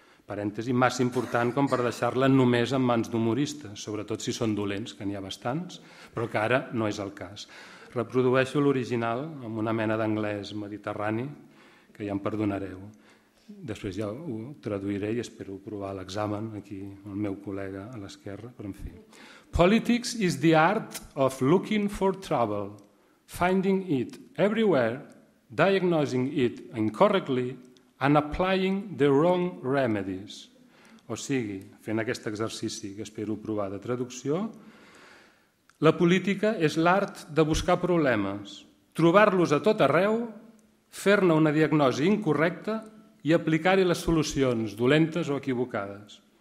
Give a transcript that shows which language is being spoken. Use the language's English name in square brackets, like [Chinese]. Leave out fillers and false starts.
[Catalan] Parèntesi, massa important com per deixar-la només en mans d'humoristes, sobretot si són dolents, que n'hi ha bastants, però que ara no és el cas. Reprodueixo l'original amb una mena d'anglès mediterrani, que ja em perdonareu. després ja ho traduiré i espero provar l'examen aquí el meu col·lega a l'esquerra, però en fi. [English] Politics is the art of looking for trouble, finding it everywhere, diagnosing it incorrectly and applying the wrong remedies. [Catalan] O sigui, fent aquest exercici que espero provar de traducció, la política és l'art de buscar problemes, trobar-los a tot arreu, fer-ne una diagnosi incorrecta i aplicar-hi les solucions, dolentes o equivocades.